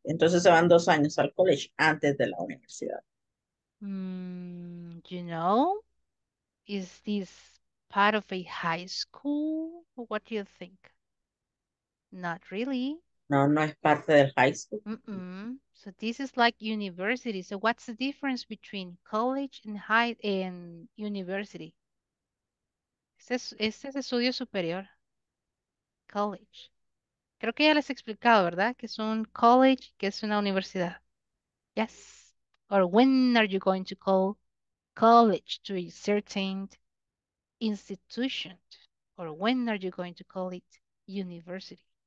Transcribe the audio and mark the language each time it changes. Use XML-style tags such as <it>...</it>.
<es>Entonces se van 2 años al college antes de la universidad.</es> <en>You know, is this part of a high school? What do you think? Not really.</en> <es>No, no es parte del high school.</es> <en>Mm-mm. So this is like university. So what's the difference between college and high and university?</en> <es>Este es estudio superior. College. Creo que ya les he explicado, ¿verdad? Que es un college, que es una universidad.</es> <en>Yes. Or when are you going to call college to a certain institution? Or when are you going to call it university?</en>